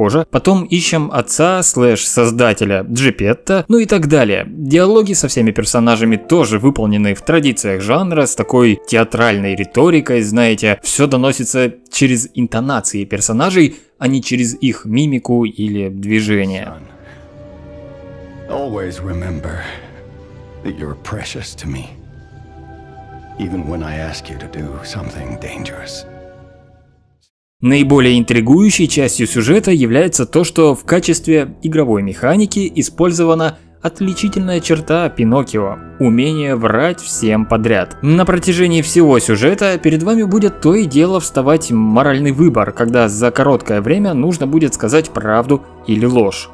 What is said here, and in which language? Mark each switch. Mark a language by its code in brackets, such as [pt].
[ru] Потом ищем отца /создателя Джепетто, ну и так далее. Диалоги со всеми персонажами тоже выполнены в традициях жанра, с такой театральной риторикой, знаете, все доносится через интонации персонажей, а не через их мимику или движение. [en] Always remember that you're precious to me, even when I ask you to do something dangerous. [ru] Наиболее интригующей частью сюжета является то, что в качестве игровой механики использована отличительная черта Пиноккио – умение врать всем подряд. На протяжении всего сюжета перед вами будет то и дело вставать моральный выбор, когда за короткое время нужно будет сказать правду или ложь.